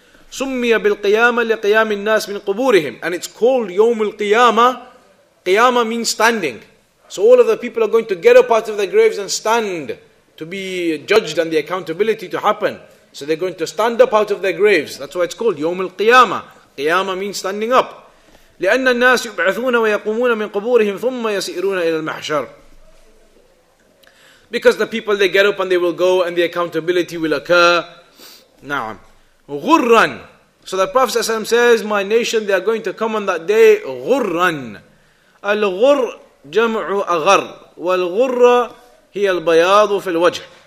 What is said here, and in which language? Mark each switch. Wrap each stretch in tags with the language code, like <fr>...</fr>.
<ar>Summiya bil-qiyamah li-qiyam al-nas min quburihim.</ar> <en>And it's called yawm al-qiyamah. Qiyamah means standing. So all of the people are going to get up out of their graves and stand to be judged and the accountability to happen. So they're going to stand up out of their graves. That's why it's called yawm al-qiyamah. Qiyamah means standing up.</en> <ar>لأن الناس يبعثون ويقومون من قبورهم ثم يسيرون إلى المحشر.</ar> <en>Because the people, they get up and they will go and the accountability will occur.</en> <ar>نعم. غُرًّا.</ar> <en>So the Prophet ﷺ says, my nation, they are going to come on that day غُرًّا.</en> <ar>الغُرْ جَمْعُ أَغَرْ وَالْغُرَّ هِيَ الْبَيَاضُ فِي الْوَجْهِ.</ar>